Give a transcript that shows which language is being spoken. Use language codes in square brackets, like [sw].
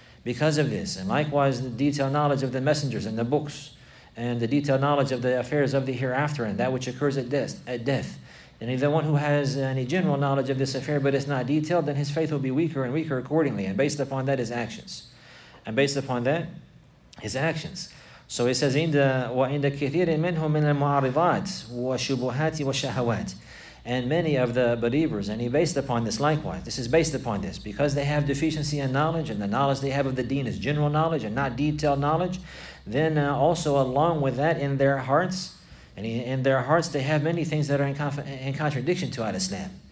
[en] And likewise, the detailed knowledge of the messengers and the books and the detailed knowledge of the affairs of the hereafter and that which occurs at death. And the one who has any general knowledge of this affair, but it's not detailed, then his faith will be weaker and weaker accordingly. And based upon that, his actions. And based upon that, his actions. So he says, [ar] وَإِنَّ كَثِيرٍ مِنْهُمْ مِنَ الْمُعَرِضَاتِ وَالشُّبُهَاتِ وَالشَّهَوَاتِ. [en] And many of the believers, and he based upon this likewise, this is based upon this, because they have deficiency in knowledge, and the knowledge they have of the deen is general knowledge and not detailed knowledge, then also along with that in their hearts, and in their hearts they have many things that are in contradiction to al-Islam.